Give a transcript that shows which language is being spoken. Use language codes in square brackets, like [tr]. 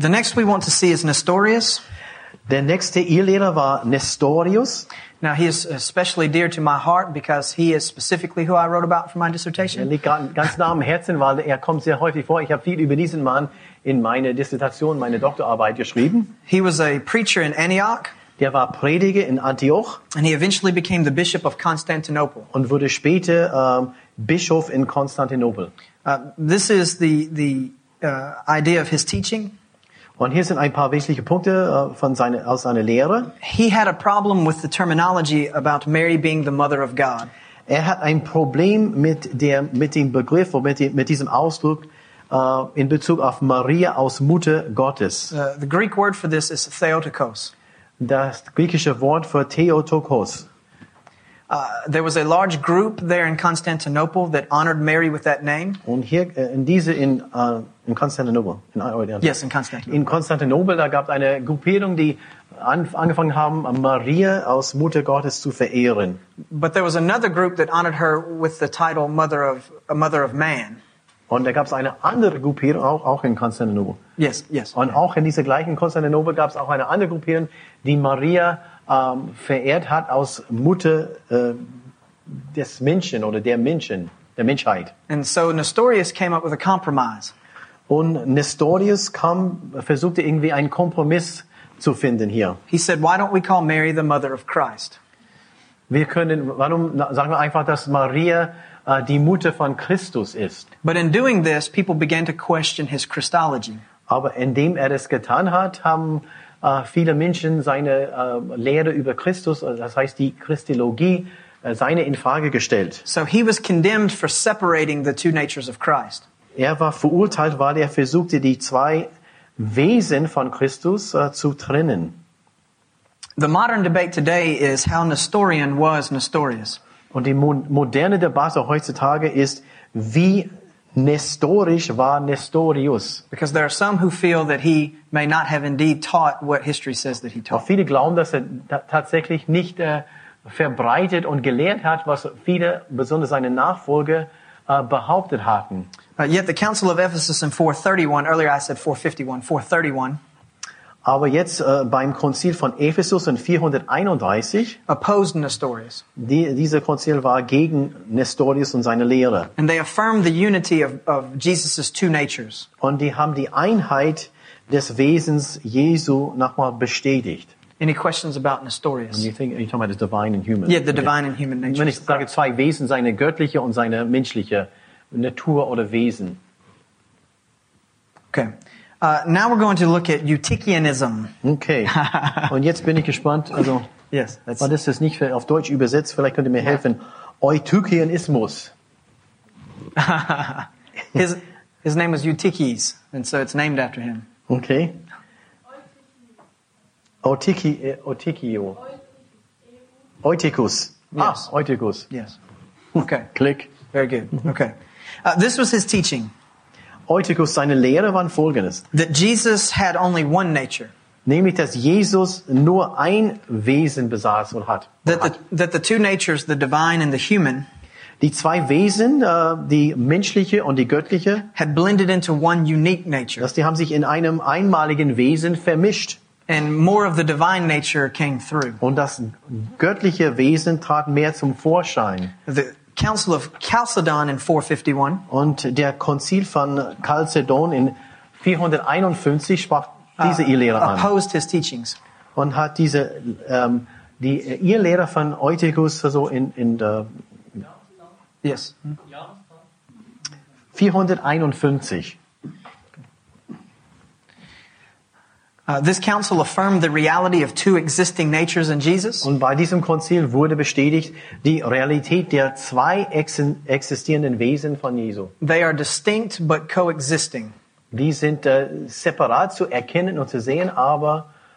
[en] The next we want to see is Nestorius. [de] Der nächste Irrlehrer war Nestorius. [en] Now he is especially dear to my heart because he is specifically who I wrote about for my dissertation. [de] Er liegt ganz nah am Herzen, weil er kommt sehr häufig vor. Ich habe viel über diesen Mann in meine Dissertation, meine Doktorarbeit geschrieben. [en] He was a preacher in Antioch. [de] Der war Prediger in Antioch. [en] And he eventually became the bishop of Constantinople. [de] Und wurde später Bischof in Konstantinopel. [en] This is the idea of his teaching. [de] Und hier sind ein paar wesentliche Punkte aus seiner Lehre. [en] He had a problem with the terminology about Mary being the mother of God. [de] Er hat ein Problem mit dem Begriff oder mit diesem Ausdruck in Bezug auf Maria als Mutter Gottes. [en] The Greek word for this is Theotokos. [de] Das griechische Wort für Theotokos. [en] There was a large group there in Constantinople that honored Mary with that name. [de] Und hier in Constantinople, in Orient. [en] Yes, in Constantinople. [de] In Constantinople, da gab es eine Gruppierung, die angefangen haben, Maria als Mutter Gottes zu verehren. [en] But there was another group that honored her with the title Mother of Man. [de] Und da gab es eine andere Gruppierung auch in Constantinople. [en] Yes, yes. [de] Und auch in dieser gleichen Constantinople gab es auch eine andere Gruppierung, die Maria verehrt hat als Mutter des Menschen oder der Menschen, der Menschheit. [en] And so Nestorius came up with a compromise. [de] Und Nestorius kam, versuchte irgendwie einen Kompromiss zu finden hier. [en] He said, why don't we call Mary the mother of Christ? [de] Wir können, warum sagen wir einfach, dass Maria die Mutter von Christus ist? [en] But in doing this, people began to question his Christology. [de] Aber indem er es getan hat, haben viele Menschen seine Lehre über Christus, das heißt die Christologie, seine in Frage gestellt. [en] So he was condemned for separating the two natures of Christ. [de] Er war verurteilt, weil er versuchte, die zwei Wesen von Christus zu trennen. [en] The modern debate today is how Nestorian was Nestorius. [de] Und die moderne Debatte heutzutage ist, wie Nestorisch war Nestorius. [en] Because there are some who feel that he may not have indeed taught what history says that he taught. [de] Viele glauben, dass er tatsächlich nicht verbreitet und gelehrt hat, was viele, besonders seine Nachfolger, behauptet hatten. [en] Yet the Council of Ephesus in 431, earlier I said 451, 431. [de] Aber jetzt beim Konzil von Ephesus in 431 [en] opposed Nestorius. [de] Dieser Konzil war gegen Nestorius und seine Lehre. [en] And they affirmed the unity of Jesus's two natures. [de] Und die haben die Einheit des Wesens Jesu nochmal bestätigt. [en] Any questions about Nestorius? And you think, are you talking about the divine and human? Yeah, the divine and human nature. [de] Wenn ich sage zwei Wesen, seine göttliche und seine menschliche Natur oder Wesen. Okay. [en] Now we're going to look at Eutychianism. Okay. [de] Und jetzt bin ich gespannt. Also, [en] yes. [de] Was ist das nicht für, auf Deutsch übersetzt? Vielleicht könnt ihr mir helfen. Eutychianismus. [en] His name was Eutyches, and so it's named after him. Okay. Eutychus. Yes. Ah, Eutychus. Yes. Okay. Click. Very good. Okay. This was his teaching. [de] Eutychus, seine Lehre waren folgendes. [en] That Jesus had only one nature. [de] Nämlich, dass Jesus nur ein Wesen besaß und hat. [en] That the two natures, the divine and the human, [de] die zwei Wesen, die menschliche und die göttliche, [en] had blended into one unique nature. [de] Dass die haben sich in einem einmaligen Wesen vermischt. [en] And more of the divine nature came through. [de] Und das göttliche Wesen trat mehr zum Vorschein. [en] The Council of Chalcedon in 451. [de] Und der Konzil von Chalcedon in 451 sprach diese ihr Lehre an. [en] Opposed his teachings. [de] Und hat diese die ihr Lehre von Eutychus so in der [en] Yes. 451. This council affirmed the reality of two existing natures in Jesus. [de] Und bei diesem Konzil wurde bestätigt die Realität der zwei existierenden Wesen von Jesus. [en] They are distinct but coexisting. [de] Die sind separat zu erkennen und zu sehen, aber